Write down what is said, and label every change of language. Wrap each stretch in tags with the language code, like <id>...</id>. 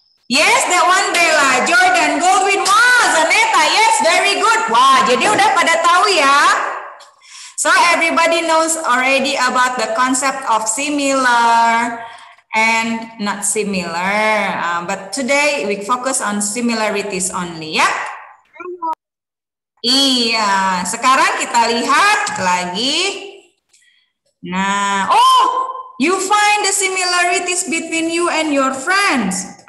<en>Yes, that one, Bella. Jordan, Goldwyn, wah, Zaneta. Yes, very good.</en> <id>Wah, jadi udah pada tahu ya.</id> <en>So everybody knows already about the concept of similar and not similar. But today we focus on similarities only, ya.</en> <id>Iya, sekarang kita lihat lagi.</id> <en>Nah, oh, you find the similarities between you and your friends.</en>